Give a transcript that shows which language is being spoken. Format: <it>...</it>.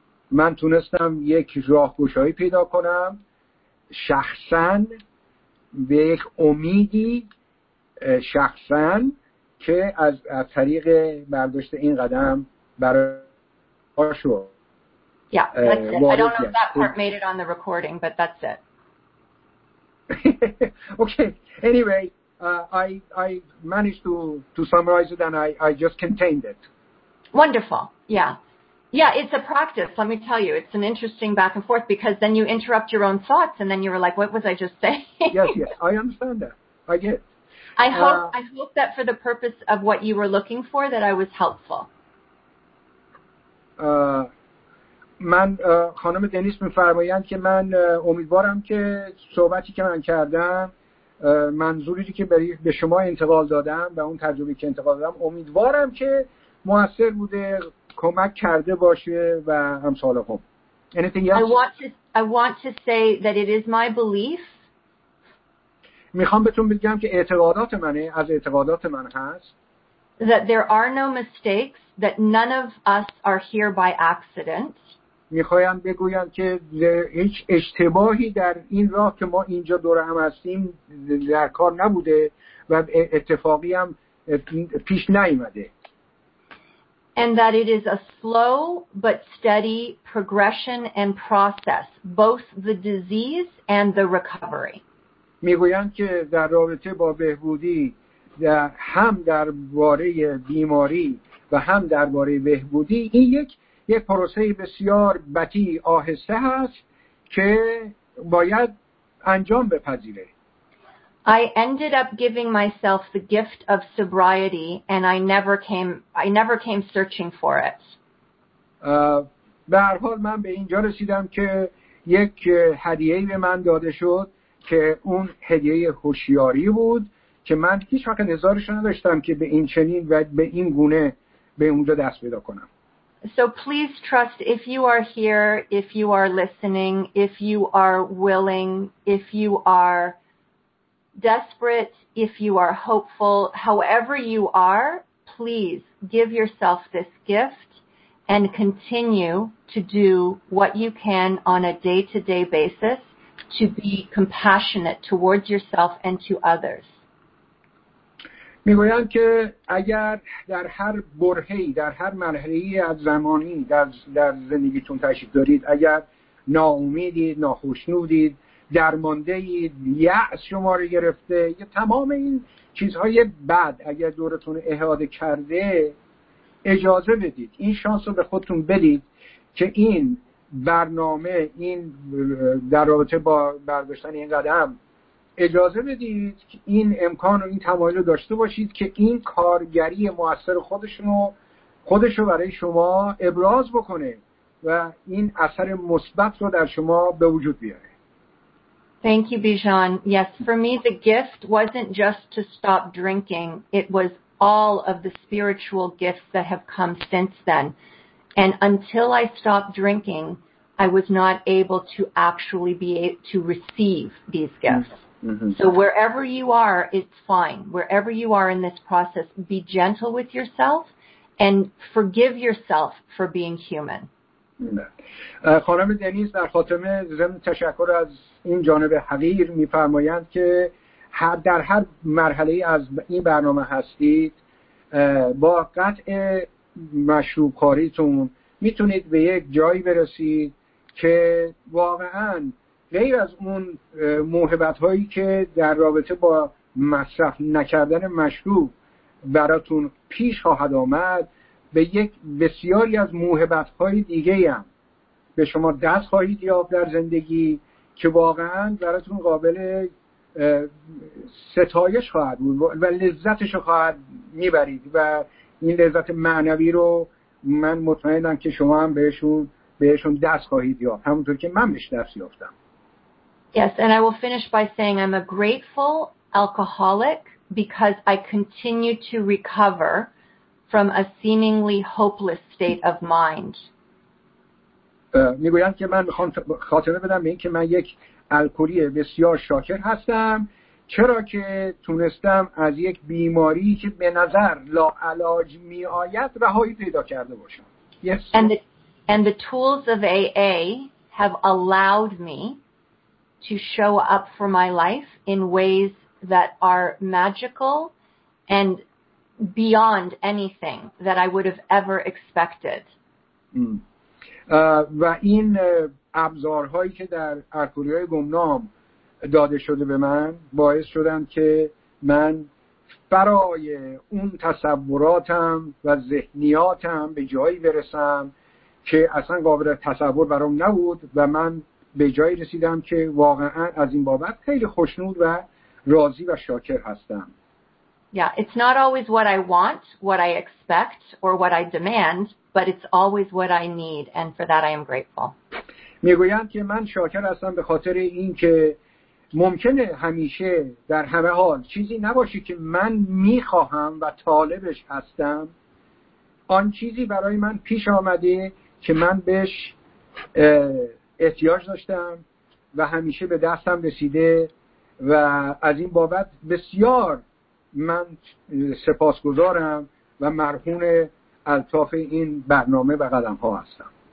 <fa>من تونستم یک راهگشایی پیدا کنم شخصا به یک امیدی شخصا که از طریق برداشت این قدم برای شو.</fa> <en>Yeah, that's it. I don't know if that part made it on the recording, but that's it. Okay. Anyway, I managed to summarize it and I just contained it. Wonderful. Yeah. Yeah, it's a practice, let me tell you. It's an interesting back and forth because then you interrupt your own thoughts and then you were like, what was I just saying? Yes, I understand that. I get it. I hope that for the purpose of what you were looking for, that I was helpful.</en> <fa>من خانم دنیس می‌فرمایند که من امیدوارم که صحبتی که من کردم، منظوری که به شما انتقال دادم و اون تجربه‌ای که انتقال دادم، امیدوارم که مؤثر بوده، کمک کرده باشه و همسال هم.</fa> <en>Anything else? I want to say that it is my belief.</en> <fa>میخوام بهتون بگم که اعتقادات منه، از اعتقادات من هست.</fa> <en>That there are no mistakes, that none of us are here by accident.</en> <fa>میخوام بگویم که هیچ اشتباهی در این راه که ما اینجا دور هم هستیم در کار نبوده و اتفاقی هم پیش نیامده.</fa> <en>And that it is a slow but steady progression and process, both the disease and the recovery.</en> <fa>میگویند که در رابطه با بهبودی هم درباره بیماری و هم درباره بهبودی این یک پروسه بسیار بطی آهسته هست که باید انجام بپذیره.</fa> <en>I ended up giving myself the gift of sobriety and I never came searching for it.</en> <fa>به هر حال من به اینجا رسیدم که یک هدیه به من داده شد که اون هدیه هوشیاری بود که من هیچ وقت نظارش نداشتم که به این چنین و به این گونه به اونجا دست پیدا کنم.</fa> <en>So please trust, if you are here, if you are listening, if you are willing, if you are desperate, if you are hopeful, however you are, please give yourself this gift and continue to do what you can on a day-to-day basis to be compassionate towards yourself and to others.</en> <fa>میگویند که اگر در هر برهه‌ای، در هر مرحله‌ای از زمانی در زندگیتون تشریف دارید، اگر ناامیدید، ناخوشنودید، درمانده‌اید، یأس شما رو گرفته، یا تمام این چیزهای بد اگر دورتون احاطه کرده، اجازه بدید، این شانس رو به خودتون بدید که این برنامه، این در رابطه با برداشتن این قدم اجازه بدید که این امکان و این تمایل رو داشته باشید که این کارگری مؤثر خودش رو برای شما ابراز بکنه و این اثر مثبت رو در شما به وجود بیاره.</fa> <en>Thank you, Bijan. Yes, for me the gift wasn't just to stop drinking. It was all of the spiritual gifts that have come since then. And until I stopped drinking, I was not able to actually be able to receive these gifts. So wherever you are, it's fine. Wherever you are in this process, be gentle with yourself and forgive yourself for being human.</en> <fa>خانم دنیز در خاتمه ضمن تشکر از این جانب حقیر می‌فرمایند که در هر مرحله از این برنامه هستید با قطع مشروب کاریتون میتونید به یک جایی برسید که واقعا غیر از اون موهبت هایی که در رابطه با مصرف نکردن مشروب براتون پیش خواهد آمد، به یک بسیاری از موهبت های دیگه هم به شما دست خواهید یافت در زندگی که واقعا براتون قابل ستایش خواهد بود و لذتش رو خواهد میبرید و این لذت معنوی رو من مطمئنم که شما هم بهشون دست خواهید یافت، همونطور که من بهش دست یافتم.</fa> <en>Yes, and I will finish by saying I'm a grateful alcoholic because I continue to recover from a seemingly hopeless state of mind.</en> <fa>میگویند که من خاطره بدم به این که من یک الکلی بسیار شاکر هستم، چرا که تونستم از یک بیماری که به نظر لاعلاج می آید رهایی پیدا کرده باشم.</fa> <en>Yes. And the tools of AA have allowed me to show up for my life in ways that are magical and beyond anything that I would have ever expected.</en> <fa>و این ابزارهایی که در الکلی‌های گمنام داده شده به من باعث شدن که من برای اون تصوراتم و ذهنیاتم به جایی برسم که اصلا قابل تصور برام نبود و من به جایی رسیدم که واقعا از این بابت خیلی خوشنود و راضی و شاکر هستم.</fa> <en>Yeah, it's not always what I want, what I expect, or what I demand, but it's always what I need, and for that I am grateful.</en> <fa>میگویند که من شاکر هستم به خاطر این که ممکنه همیشه در همه حال چیزی نباشه که من میخواهم و طالبش هستم، آن چیزی برای من پیش آمده که من بهش احتیاج داشتم و همیشه به دستم رسیده و از این بابت بسیار من سپاسگزارم و مرهون الطاف این برنامه و قدم‌ها هستم.</fa>